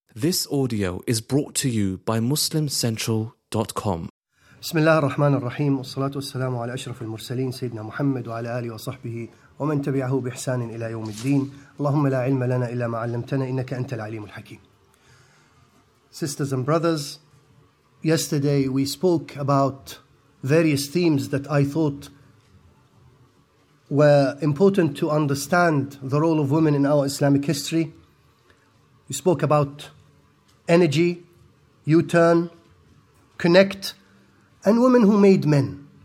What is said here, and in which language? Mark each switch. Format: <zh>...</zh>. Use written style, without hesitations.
<en>This audio is brought to you by MuslimCentral.com.</en> <ar>بسم الله الرحمن الرحيم والصلاة والسلام على أشرف المرسلين سيدنا محمد وعلى آله وصحبه ومن تبعه بإحسان إلى يوم الدين. اللهم لا علم لنا إلا ما علمتنا إنك أنت العليم الحكيم.</ar> <en>Sisters and brothers, yesterday we spoke about various themes that I thought were important to understand the role of women in our Islamic history. We spoke about energy, U-turn, connect, and women who made men.</en>